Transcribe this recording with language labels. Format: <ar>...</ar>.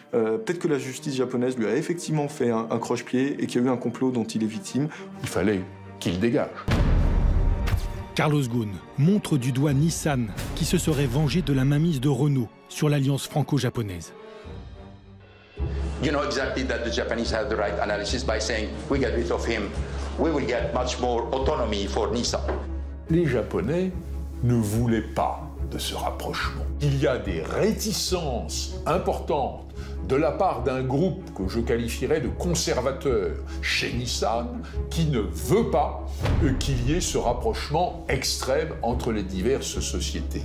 <fr>Peut-être que la justice japonaise lui a effectivement fait un croche-pied et qu'il y a eu un complot dont il est victime. Il fallait qu'il dégage. Carlos Ghosn montre du doigt Nissan, qui se serait vengé de la mainmise de Renault sur l'alliance franco-japonaise.</fr> <en>You know exactly that the Japanese had the right analysis by saying we get rid of him. We will get much more autonomy for Nissan.</en> <fr>Les Japonais ne voulaient pas de ce rapprochement. Il y a des réticences importantes de la part d'un groupe que je qualifierais de conservateur chez Nissan qui ne veut pas qu'il y ait ce rapprochement extrême entre les diverses sociétés.</fr>